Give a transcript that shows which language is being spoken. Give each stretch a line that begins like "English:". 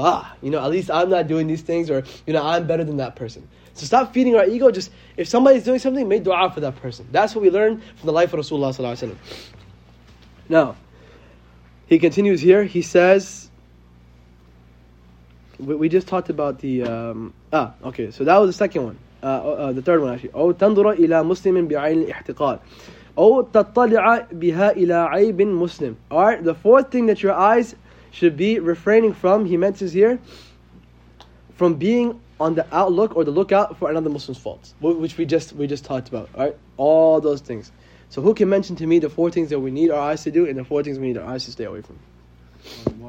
English: Ah, you know, at least I'm not doing these things, or, you know, I'm better than that person. So stop feeding our ego. Just, if somebody's doing something, make dua for that person. That's what we learn from the life of Rasulullah sallallahu alaihi wasallam. Now, he continues here. He says, we just talked about the, okay, so that was the second one. The third one, actually.
Arabic: أَوْ تَنْظُرَ إِلَى مُسْلِمٍ بِعَيْنِ الْإِحْتِقَالِ أو تطلع بها إلى عيب مسلم.
English: Alright, the fourth thing that your eyes should be refraining from, he mentions here, from being on the outlook or the lookout for another Muslim's faults, which we just talked about. Alright, all those things. So who can mention to me the four things that we need our eyes to do and the four things we need our eyes to stay away from?